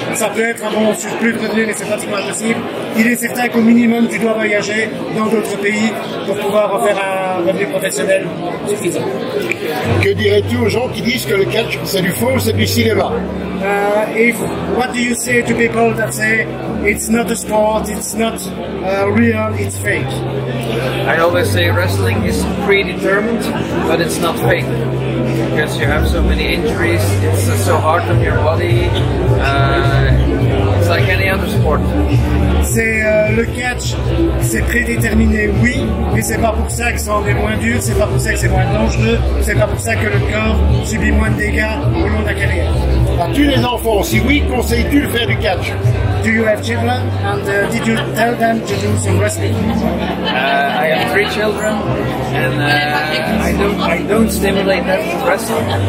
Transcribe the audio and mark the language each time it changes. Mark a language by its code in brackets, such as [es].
[fr] Ça peut être un bon surplus de revenus, mais c'est pratiquement impossible. Il est certain qu'au minimum, tu dois voyager dans d'autres pays pour pouvoir faire un revenu professionnel suffisant. Que dirais-tu aux gens qui disent que le catch, c'est du faux ou c'est du cinéma? [en] If what do you say to people that say it's not a sport, it's not real, it's fake? I always say wrestling is predetermined, but it's not fake. Because you have so many injuries, it's so hard on your body, it's like any other sport. [fr] C'est le catch, c'est prédéterminé, oui, mais c'est pas pour ça que ça en est moins dur, c'est pas pour ça que c'est moins dangereux, c'est pas pour ça que le corps subit moins de dégâts au long de la carrière. As-tu des enfants? Si oui, conseilles-tu de faire du catch? [en] Do you have children? And did you tell them to do some wrestling? I have three children, and I don't stimulate them to wrestle.